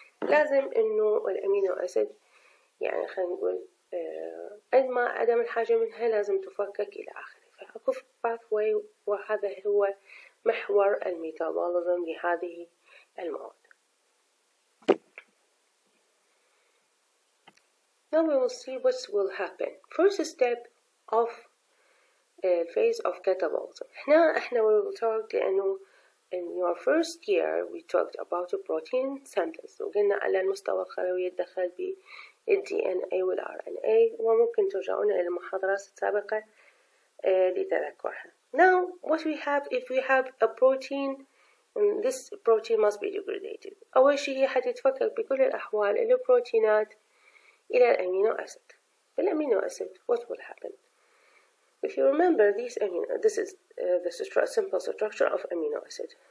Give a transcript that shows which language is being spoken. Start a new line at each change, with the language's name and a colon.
Arabic: لازم إنه الأمينو أسيد يعني خلينا نقول قد ما عدم الحاجة منها لازم تفكك إلى آخره. فأكو pathway وهذا هو محور الميتابوليزم لهذه المواد.
English: Now we will see what will happen. First step of phase of catabolism. Now we will talk in your first year we talked about a protein synthesis.
Arabic: We قلنا على المستوى الخلوي الدخل ب DNA وال RNA وممكن ترجعون إلى المحاضرات السابقة لتذكرها.
English: Now what we have if we have a protein this protein must be degraded.
Arabic: أول شيء حتتفكك بكل الأحوال البروتينات إلى الأمينو أسيد.
English: بالأمينو acid what will happen? If you remember these amino, this is the simple structure of amino acid.